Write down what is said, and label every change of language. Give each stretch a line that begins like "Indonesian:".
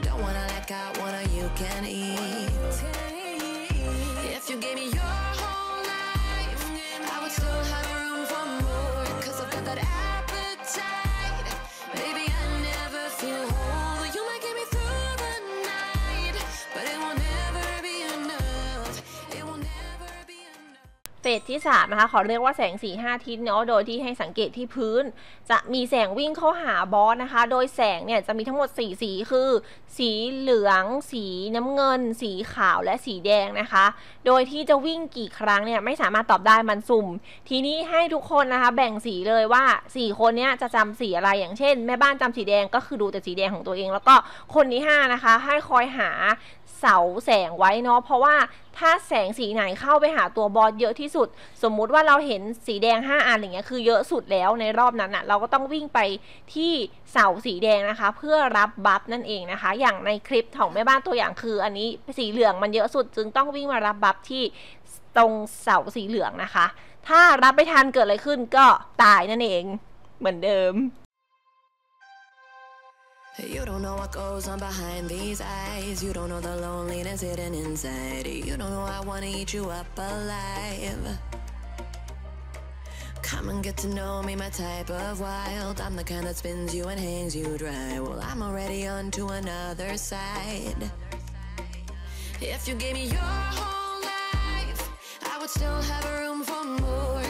English: Don't wanna let out, wanna you can eat. If you gave me your whole life, I would still have room for more. 'Cause I've got that appetite. Baby, I never feel whole. You might get me through the night, but it will never be enough. It will never be enough.
Thai: เฟสที่3นะคะขอเรียกว่าแสง 4-5 ทิศเนาะโดยที่ให้สังเกตที่พื้นจะมีแสงวิ่งเข้าหาบอสนะคะโดยแสงเนี่ยจะมีทั้งหมด4สีคือสีเหลืองสีน้ำเงินสีขาวและสีแดงนะคะโดยที่จะวิ่งกี่ครั้งเนี่ยไม่สามารถตอบได้มันสุ่มทีนี้ให้ทุกคนนะคะแบ่งสีเลยว่า4คนเนี้ยจะจำสีอะไรอย่างเช่นแม่บ้านจำสีแดงก็คือดูแต่สีแดงของตัวเองแล้วก็คนที่5นะคะให้คอยหา เสาแสงไว้เนาะเพราะว่าถ้าแสงสีไหนเข้าไปหาตัวบอสเยอะที่สุดสมมุติว่าเราเห็นสีแดง5อันอย่างเงี้ยคือเยอะสุดแล้วในรอบนั้นน่ะเราก็ต้องวิ่งไปที่เสาสีแดงนะคะเพื่อรับบัฟนั่นเองนะคะอย่างในคลิปของแม่บ้านตัวอย่างคืออันนี้สีเหลืองมันเยอะสุดจึงต้องวิ่งมารับบัฟที่ตรงเสาสีเหลืองนะคะถ้ารับไม่ทันเกิดอะไรขึ้นก็ตายนั่นเองเหมือนเดิม
English: You don't know what goes on behind these eyes. You don't know the loneliness hidden inside. You don't know I wanna eat you up alive. Come and get to know me, my type of wild. I'm the kind that spins you and hangs you dry. Well, I'm already on to another side. If you gave me your whole life, I would still have room for more.